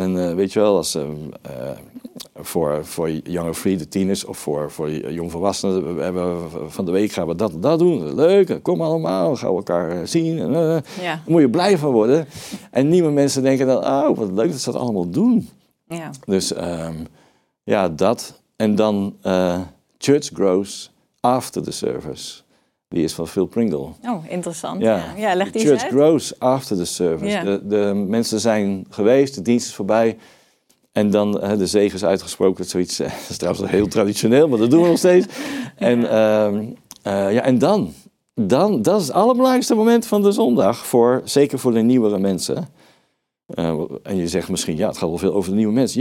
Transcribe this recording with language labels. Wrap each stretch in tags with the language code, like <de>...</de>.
<nl>En weet je wel, als voor jonge free, de tieners, of voor jongvolwassenen. We van de week gaan we dat en dat doen. Leuk, kom allemaal, we gaan elkaar zien. En, ja. Moet je blij van worden. En nieuwe mensen denken dan, oh, wat leuk dat ze dat allemaal doen. Ja. Dus dat. En dan...</nl> <en>Church grows after the service.</en> <nl>Die is van Phil Pringle. Oh, interessant. Ja, ja, leg die eens uit.</nl> <en>Church grows after the service.</en> <nl>Ja. De mensen zijn geweest, de dienst is voorbij. En dan de zegen is uitgesproken. Zoiets, dat is trouwens heel traditioneel, maar dat doen we nog steeds. En dan, dat is het allerbelangrijkste moment van de zondag. Zeker voor de nieuwere mensen. En je zegt misschien, ja, het gaat wel veel over de nieuwe mensen.</nl>